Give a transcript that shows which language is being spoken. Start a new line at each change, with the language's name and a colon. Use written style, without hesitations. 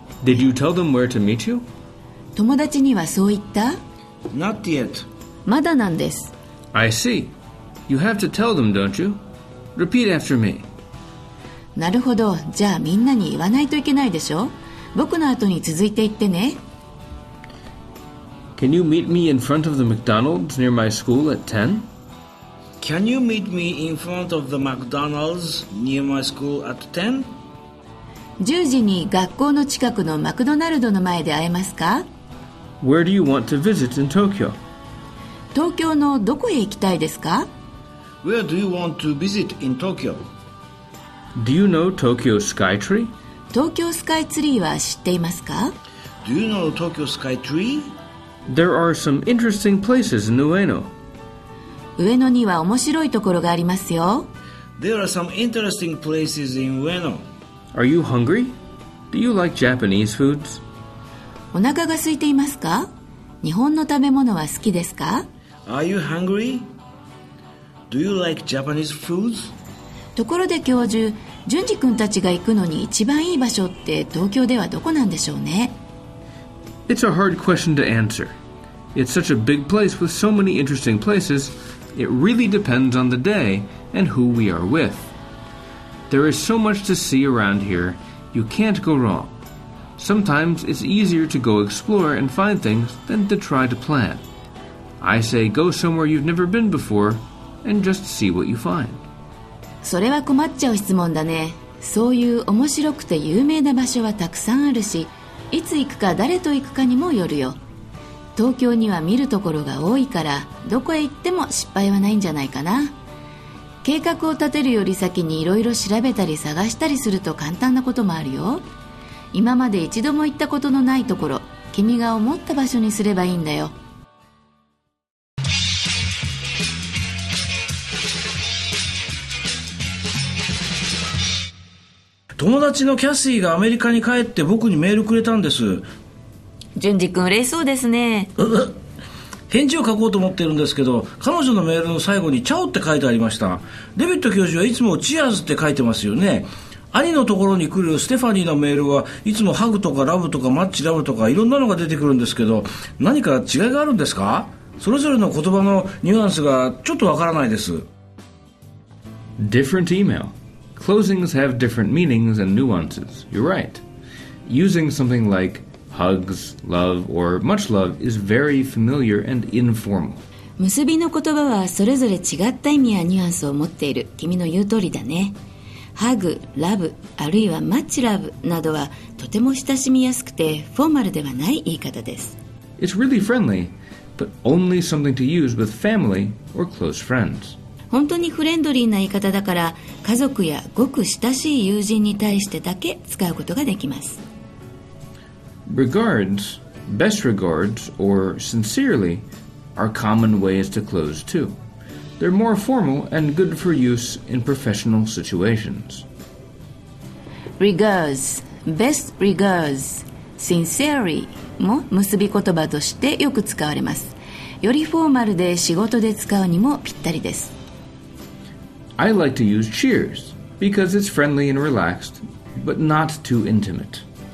English: Did you tell them where to meet you?
Japanese: 友達にはそう言った?
English: Not yet.
Japanese: まだなんです。
English: I see. You have to tell them, don't you? Repeat after me.
Japanese: なるほど。じゃあみんなに言わないといけないでしょ。僕の後に続いて言ってね。
English: Can you meet me in front of the McDonald's near my school at 10? Can you meet me in front of the McDonald's near my school at 10?
Japanese: 10時に学校の近くのマクドナルドの前で会えますか?
English: Where do you want to visit in Tokyo?
Japanese: 東京のどこへ行きたいですか?
English: Where do you want to visit in Tokyo? Do you know Tokyo Sky Tree?
Japanese: 東京スカイツリーは知っていますか?
English: Do you know Tokyo Sky Tree? There are some interesting places in Ueno.
Japanese: 上野には面白いところがありますよ。
English: There are some interesting places in Ueno. Are you hungry? Do you like Japanese foods?
Japanese: お腹が空いていますか?日本の食べ物は好きですか?
English: Are you hungry? Do you like Japanese foods?
Japanese: ところで教授、順次君たちが行くのに一番いい場所って東京ではどこなんでしょうね?
English: It's a hard question to answer. It's such a big place with so many interesting places. It really depends on the day and who we are with. There is so much to see around here, you can't go wrong. Sometimes it's easier to go explore and find things than to try to plan. I say go somewhere you've never been before and just see what you find.
Japanese: それは困っちゃう質問だね。そういう面白くて有名な場所はたくさんあるし、いつ行くか誰と行くかにもよるよ。東京には見るところが多いから、どこへ行っても失敗はないんじゃないかな。計画を立てるより先にいろいろ調べたり探したりすると簡単なこともあるよ。今まで一度も行ったことのないところ、君が思った場所にすればいいんだよ。友達のキャシーがアメリカに帰って僕にメールくれたんです。順次君嬉しそうですね。返事を書こうと思ってるんですけど、彼女のメールの最後にチャオって書いてありました。デビット教授はいつもチアーズって書いてますよね。兄のところに来るステファニーのメールはいつもハグとかラブとかマッチラブとかいろんなのが出てくるんですけど、何か違いがあるんですか？それぞれの言葉のニュアンスがちょっとわからないです。
English: Different email. Closings have different meanings and nuances. You're right. Using something likeHugs, love, or much love is very familiar and informal.
Japanese: 結びの言葉はそれぞれ違った意味やニュアンスを持っている。君の言う通りだね。
English: Hug, love,
Japanese: あるいは
English: much love
Japanese: などはとても親しみやすくてフォーマルではない言い方です。
English: It's really friendly, but only something to use with family or close friends.
Japanese: 本当にフレンドリーな言い方だから、家族やごく親しい友人に対してだけ使うことができます。
English: Regards, best regards, or sincerely are common ways to close too. They're more formal and good for use in professional situations. Regards, best regards, sincerely
Japanese: も結び言葉としてよく使われます。よりフォーマルで仕事で使うにもぴったりです。
English: I like to use cheers because it's friendly and relaxed, but not too intimate.